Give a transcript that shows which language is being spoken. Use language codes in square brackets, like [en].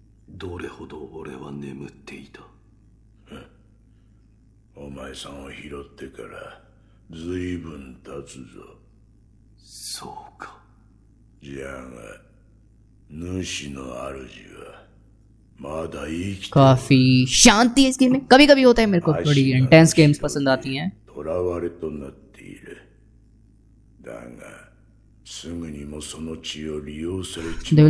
[ja] どれほど俺は眠っていた。お前さんを拾ってから随分経つぞ。そうか。じゃが主の主はまだ生きている。 [hi] काफी शांति है इस गेम में. कभी-कभी होता है मेरे को थोड़ी [en] intense games [hi] पसंद आती हैं. [ja] とらわれとなっている。だがすぐにもその血を利用されちまう。